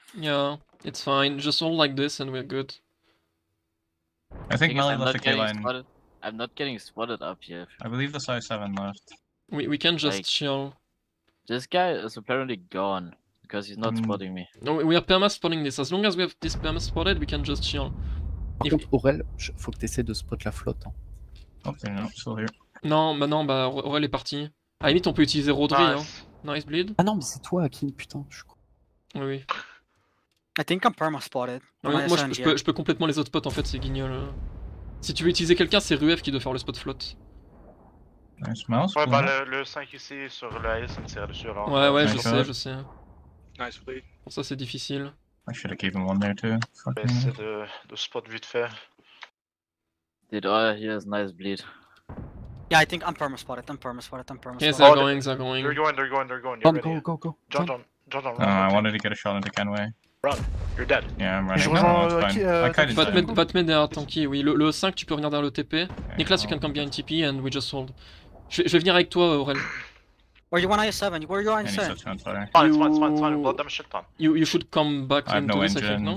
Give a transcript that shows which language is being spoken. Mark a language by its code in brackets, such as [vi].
[en] Yeah, it's fine. Just all like this, and we're good. I think Melee left the K line. I'm not getting spotted up here. I believe the size 7 left. We can just chill. This guy is apparently gone because he's not spotting me. No, we are perma spotting this. As long as we have this perma spotted, we can just chill. [fr] Aurel, faut que t'essayes de spot la flotte. Hein. [en] Okay, no, still here. [fr] Non, maintenant, bah, Aurel est parti. À limite, on peut utiliser Rodri. Nice. Hein. [en] Nice bleed. [fr] Ah non, mais c'est toi, Akin, putain. Oui. [en] I think I'm perma spotted. [fr] Ouais, moi, je peux complètement les autres spots en fait, c'est guignol. Hein. Si tu veux utiliser quelqu'un, c'est Ruev qui doit faire le spot flotte. [en] Nice mouse. [fr] Ouais, bah le 5 ici sur le AS, ça me sert dessus alors. Ouais, ouais, je sais. [en] Nice play. [fr] Pour ça, c'est difficile. [en] I should have given one there too. [fr] C'est de spot vite fait. [en] Dude, oh, he has nice bleed. Yeah, I think I'm perma spotted. I'm perma spotted. Yes, they're going. They're going. You're go, ready. Go. John. I wanted to get a shot into Kenway. Run, you're dead. Yeah, I'm running. [fr] Va te mettre derrière tanky. Oui, le 5, tu peux revenir derrière le TP. [en] Okay, Nicolas, you can come behind TP and we just hold. [fr] Je vais venir avec toi, Aurel. [en] Where you want IS7? Where you want IS7? Fine. You should come back into this, I think, no?